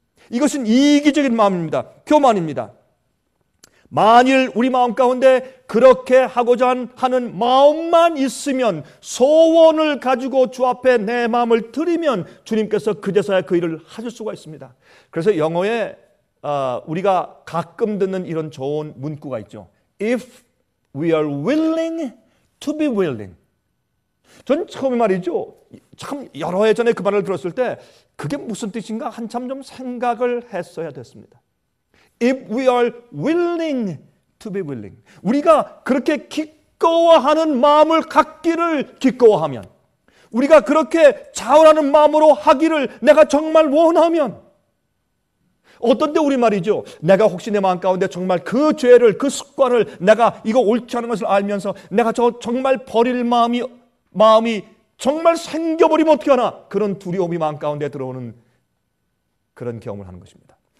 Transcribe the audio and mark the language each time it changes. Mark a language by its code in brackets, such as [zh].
[ko] 이것은 이기적인 마음입니다. 교만입니다. 만일 우리 마음 가운데 그렇게 하고자 하는 마음만 있으면 소원을 가지고 주 앞에 내 마음을 드리면 주님께서 그제서야 그 일을 하실 수가 있습니다. 그래서 영어에 우리가 가끔 듣는 이런 좋은 문구가 있죠. [en] If we are willing to be willing. [ko] 전 처음에 말이죠. 참 여러 해 전에 그 말을 들었을 때 그게 무슨 뜻인가 한참 좀 생각을 했어야 됐습니다. [en] If we are willing to be willing. [ko] 우리가 그렇게 기꺼워하는 마음을 갖기를 기꺼워하면 우리가 그렇게 자원하는 마음으로 하기를 내가 정말 원하면 어떤데 우리 말이죠. 내가 혹시 내 마음 가운데 정말 그 죄를 그 습관을 내가 이거 옳지 않은 것을 알면서 내가 저 정말 버릴 마음이 정말 생겨버리면 어떻게 하나 그런 두려움이 마음 가운데 들어오는 그런 경험을 하는 것입니다.